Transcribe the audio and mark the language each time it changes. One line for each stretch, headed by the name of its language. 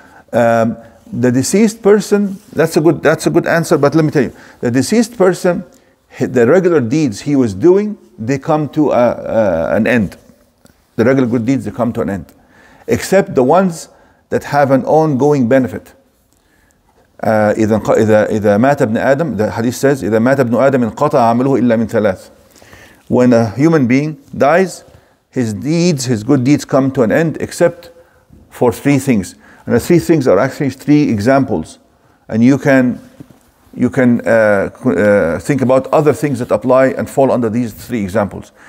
English: The deceased person, that's a good answer, but let me tell you, the deceased person, the regular deeds he was doing, they come to an end. The regular good deeds, they come to an end. Except the ones that have an ongoing benefit.
Arabic: إذا مات ابن آدم,
English: the hadith says,
Arabic: إذا مات ابن آدم انقطع عمله إلا من ثلاث.
English: When a human being dies, his good deeds come to an end, except for three things. And the three things are actually three examples. And you can you can think about other things that apply and fall under these three examples.